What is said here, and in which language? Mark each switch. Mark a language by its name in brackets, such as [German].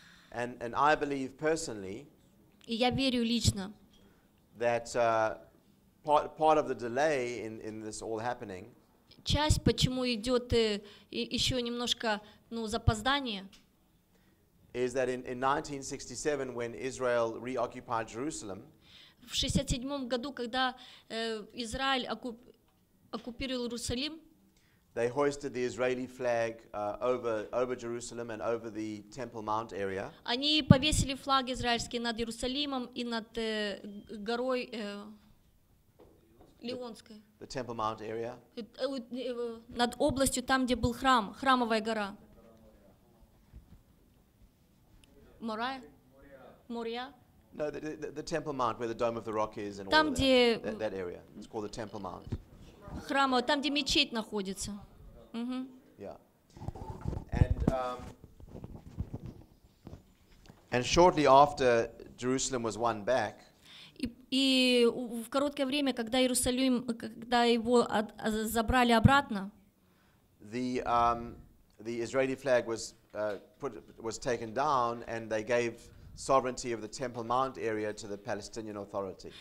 [English] And I believe personally. [Russian] И я верю лично. [English] That part of the delay in this all happening. [Russian] Часть, почему идет еще немножко, ну, запоздание. [English] Is that in 1967 when Israel reoccupied Jerusalem? [Russian] В 67 году, когда Израиль оккупировал Иерусалим. [English] They hoisted the Israeli flag over Jerusalem and over the Temple Mount area. [Russian] Они повесили флаг израильский над Иерусалимом и над горой Леонской. [English] The Temple Mount area. [Russian] Над областью там, где был храм, храмовая гора. Морая? Мория? [English] No, the Temple Mount, where the Dome of the Rock is, and [Russian] там, [English] all [Russian] где [English] that area. It's called the Temple Mount. [Russian] Храм, там, где мечеть находится. [English] Mm-hmm. Yeah. And shortly after Jerusalem was won back. [Russian] И в короткое время, когда Иерусалим, когда его забрали обратно, [English] the Israeli flag was was taken down, and they gave sovereignty of the Temple Mount area to the Palestinian Authority.